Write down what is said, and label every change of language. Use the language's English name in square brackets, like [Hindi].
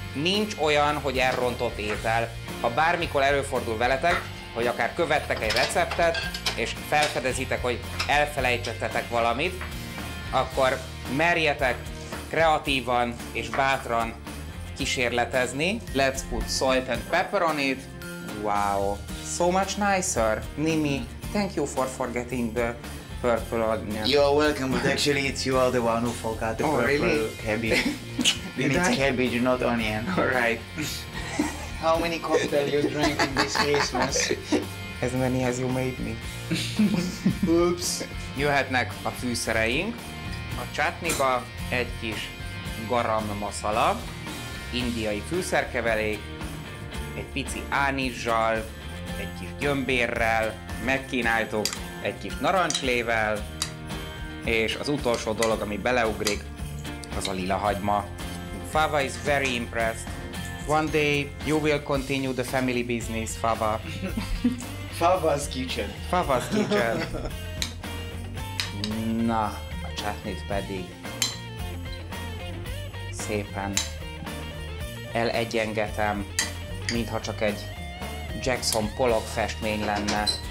[Hungarian] Nincs olyan, hogy elrontott étel. Ha bármikor előfordul veletek, hogy akár követtek egy receptet, és felfedezitek, hogy elfelejtettetek valamit, akkor merjetek kreatívan és bátran kísérletezni. [English] Let's put salt and pepper on it. Wow, so much nicer. Nimi, thank you for forgetting the purple onion. You're welcome, but actually it's you are the one who forgot the purple really? Cabbage. We need cabbage, not onion. All right. How many cocktails you drank in this Christmas? As many as you made me. Oops. [Hungarian] Jöhetnek a fűszereink. A csátniba egy kis garam masala, indiai fűszerkeverék, egy pici ánizzsal, egy kis gyömbérrel, megkínáltuk egy kis narancslével, és az utolsó dolog, ami beleugrik, az a lila hagyma. [English] Fava is very impressed. One day you will continue the family business, Fava. Fava's kitchen. Fava's kitchen. [Hungarian] Na, a csátnit pedig szépen elegyengetem, mintha csak egy Jackson Pollock festmény lenne.